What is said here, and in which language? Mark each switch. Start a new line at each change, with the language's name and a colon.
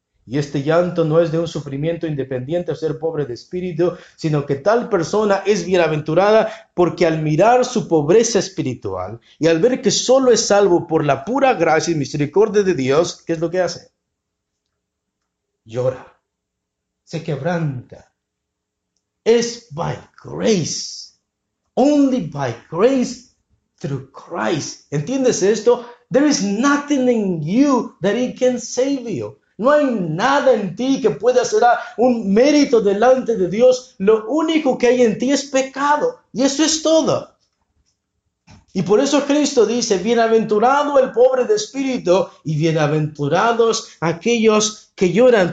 Spanish: Y este llanto no es de un sufrimiento independiente a ser pobre de espíritu, sino que tal persona es bienaventurada porque al mirar su pobreza espiritual y al ver que solo es salvo por la pura gracia y misericordia de Dios, ¿qué es lo que hace? Llora, se quebranta.
English: Es by grace, only by grace through Christ.
Spanish: ¿Entiendes esto?
English: There is nothing in you that he can save you.
Spanish: No hay nada en ti que pueda ser un mérito delante de Dios. Lo único que hay en ti es pecado. Y eso es todo. Y por eso Cristo dice, bienaventurado el pobre de espíritu y bienaventurados aquellos que lloran.